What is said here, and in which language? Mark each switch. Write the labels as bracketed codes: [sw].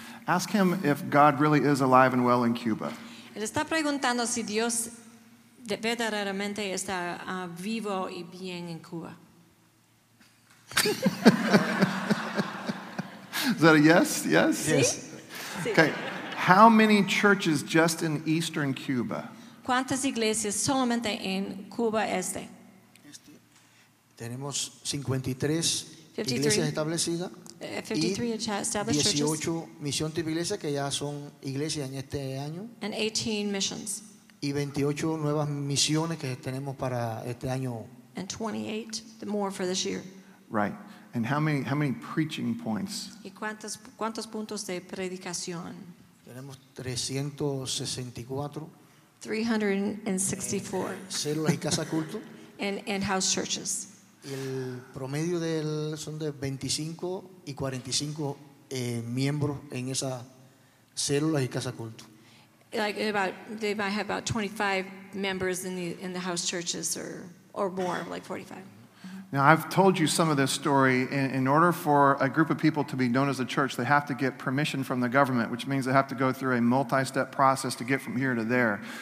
[en] Ask him if God really is alive and well in Cuba. [es] Él está preguntando si Dios verdaderamente está vivo y bien en Cuba. [en] Is that a yes? Yes? [es] Sí. [en] Yes. Okay. How many churches just in eastern Cuba? [es] ¿Cuántas iglesias solamente en Cuba este? Tenemos 53 iglesias establecidas. [en] 53 y 18 churches. [es] Misión tipo iglesia que ya son iglesias en este año. [en] And 18 missions. [es] Y 28 nuevas misiones que tenemos para este año. [en] And 28 the more for this year. Right. And how many preaching points? [es] ¿Y cuántos puntos de predicación? Tenemos 364. [en] 364. [es] Células y casa culto. [en] And house churches. [es] El promedio son de 25 y 45 miembros en esas células y casa culto. [en] Like about, they might have about 25 members in the house churches or more, like 45. Now, I've told you some of this story. In order for a group of people to be known as a church, they have to get permission from the government, which means they have to go through a multi-step process to get from here to there.